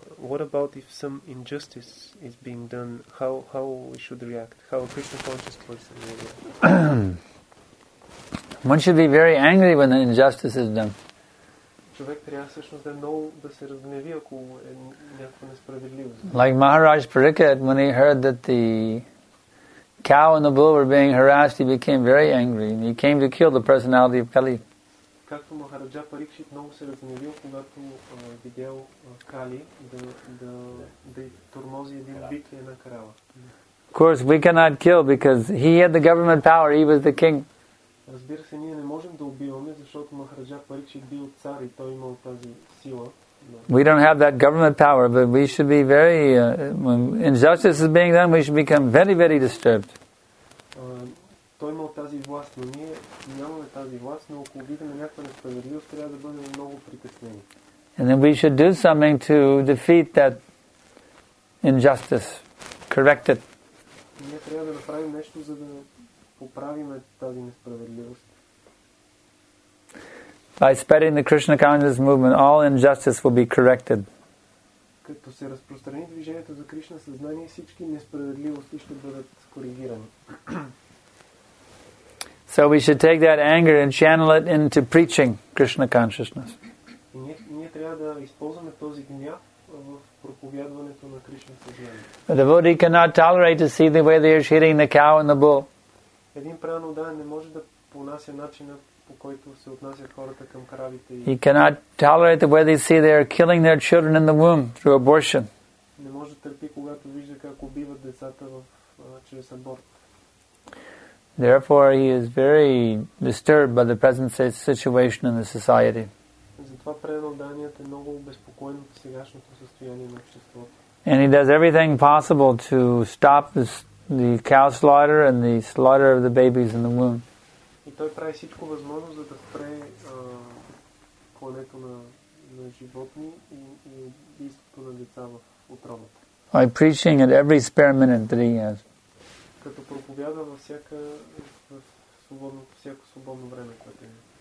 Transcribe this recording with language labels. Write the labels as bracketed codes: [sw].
[en] What about if some injustice is being done? How we should react? How a Krishna conscious person will react? One should be very angry when an injustice is done. [bg] Човек трябва всъщност да много да се разгневи, ако е някаква несправедливост. [en] Like Maharaj Parikshit, when he heard that the cow and the bull were being harassed, he became very angry and he came to kill the personality of Kali. [bg] Както Махараджа Парикшит много се разгневил, когато видял Кали да тормози един бит и една крава. [en] Of course, we cannot kill because he had the government power, he was the king. [bg] Разбира се, ние не можем да убиваме, защото Махараджа Парикшит бил цар и той имал тази сила. [en] We don't have that government power, but we should be very, when injustice is being done, we should become very, very disturbed. [bg] Той имал тази власт, но ние нямаме тази власт, но ако видим някаква несправедливост, трябва да бъдем много притеснени. [en] And then we should do something to defeat that injustice, correct it. [bg] Ние трябва да направим нещо, за да поправиме тази несправедливост. [en] By spreading the Krishna consciousness movement, all injustice will be corrected. [bg] Като се разпространи движението за Кришна съзнание, всички несправедливости ще бъдат коригирани. [en] So we should take that anger and channel it into preaching Krishna consciousness. [bg] Ние трябва да използваме този гняв в проповядването на Кришна съзнание. [en] A devotee cannot tolerate to see the way they are hitting the cow and the bull. [bg] Един правилно да не може да понася начина, по който се отнасят хората към кравите. [en] He cannot tolerate the way they see they are killing their children in the womb through abortion. [bg] Не може да търпи, когато вижда как убиват децата чрез аборт. [en] Therefore, he is very disturbed by the present situation in the society. [bg] Затова преналданият е много обезпокоен от сегашното състояние на обществото. [en] And he does everything possible to stop the cow slaughter and the slaughter of the babies in the womb. [bg] И той прави всичко възможно, за да спре клането на животни и убийството на деца в утробата. [en] By preaching at every spare minute that he has. [bg] Като проповядва всяко свободно време, което има.